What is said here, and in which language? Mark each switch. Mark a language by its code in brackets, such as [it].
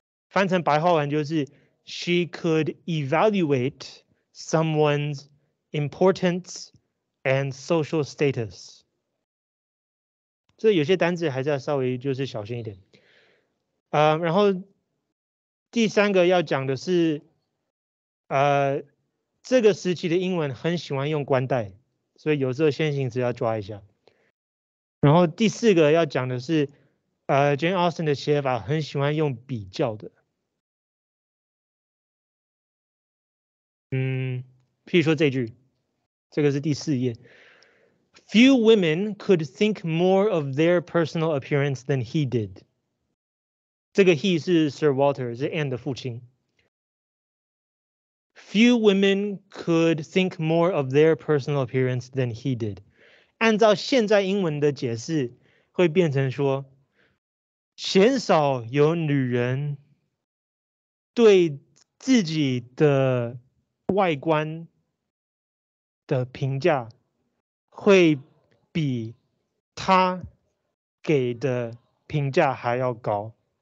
[zh] 翻成白话文就是 [en] she could evaluate someone's importance and social status。 [zh] 所以有些单字还是要稍微就是小心一点。然后第三个要讲的是，这个时期的英文很喜欢用冠带，所以有时候先行词要抓一下。然后第四个要讲的是，Jane Austen 的写法很喜欢用比较的。譬如说这句，这个是第四页。 [en] Few women could think more of their personal appearance than he did. [zh] 这个 he 是 Sir Walter, 是 Anne 的父亲。 [en] Few women could think more of their personal appearance than he did. [zh] 按照现在英文的解释会变成说，鲜少有女人对自己的外观的评价会比他给的评价还要高。